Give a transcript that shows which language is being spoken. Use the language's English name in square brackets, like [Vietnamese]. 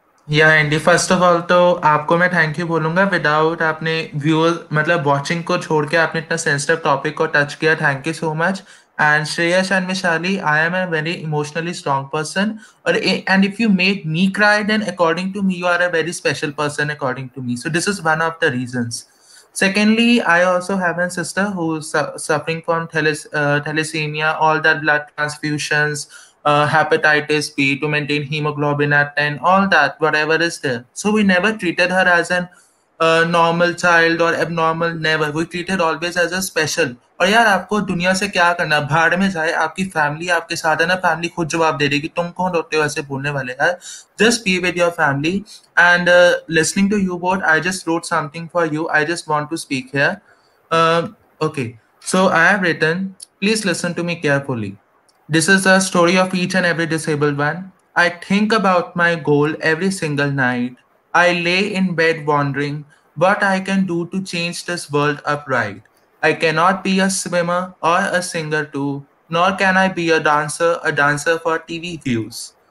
[Hindi] या Andy, [English] first of all [Hindi] तो आपको मैं थैंक यू बोलूंगा. विदाउट आपने व्यूअर मतलब वॉचिंग को छोड़ के आपने इतना सेंसिटिव टॉपिक को टच किया, [English] Thank you so much. And Shreyas and Mishali, I am a very emotionally strong person और and if you made me cry then according to me you are a very special person according to me. So this is one of the reasons. Secondly, I also have a sister who is suffering from thalassemia, all that blood transfusions, hepatitis B to maintain hemoglobin at 10, all that, whatever is there. So we never treated her as a normal child or abnormal, never. We treated always as a special. [Hindi] और यार आपको दुनिया से क्या करना, भाड़ में जाए, आपकी फैमिली आपके साथ है ना, फैमिली खुद जवाब दे देगी, तुम कौन होते हो ऐसे बोलने वाले यार. [English] Just be with your family and listening to you both, I just wrote something for you, I just want to speak here. Okay, so I have written, please listen to me carefully. This is a story of each and every disabled one. I think about my goal every single night. I lay in bed wondering what I can do to change this world upright. I cannot be a swimmer or a singer too, nor can I be a dancer for TV views.